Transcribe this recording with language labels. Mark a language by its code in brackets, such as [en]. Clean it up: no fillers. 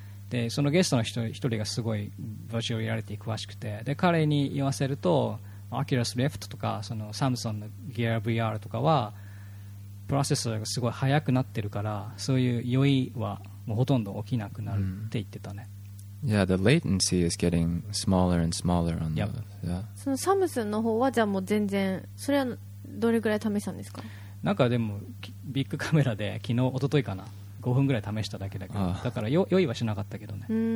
[ja] でそのゲストの一人がすごいバーチャルリアリティ詳しくて、で彼に言わせると Oculus Rift とかそのサムソンの Gear VR とかはプロセッサーがすごい速くなってるから、そういう酔いはもうほとんど起きなくなるって言ってたね。 [en] Yeah, the latency is getting smaller and smaller on the, yeah. [ja] そのサムソンの方はじゃあもう全然、それはどれくらい試したんですか？なんかでもビッグカメラで昨日、一昨日かな、5分ぐらい試しただけだけど、だから酔いはしなかったけどね。